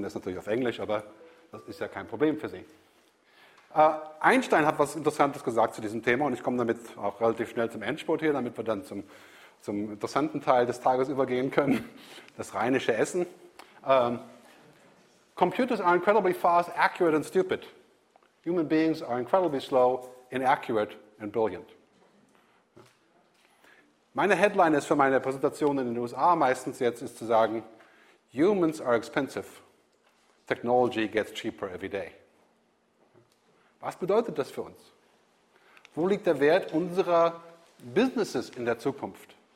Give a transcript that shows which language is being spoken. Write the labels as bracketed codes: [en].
[de] Der ist natürlich auf Englisch, aber das ist ja kein Problem für Sie. Einstein hat was Interessantes gesagt zu diesem Thema und ich komme damit auch relativ schnell zum Endspurt hier, damit wir dann zum interessanten Teil des Tages übergehen können, das rheinische Essen. [en] Computers are incredibly fast, accurate and stupid. Human beings are incredibly slow, inaccurate and brilliant. [de] Meine Headline ist für meine Präsentation in den USA meistens jetzt, ist zu sagen, [en] humans are expensive. Technology gets cheaper every day. [de] Was bedeutet das für uns? Wo liegt der Wert unserer Businesses in der Zukunft?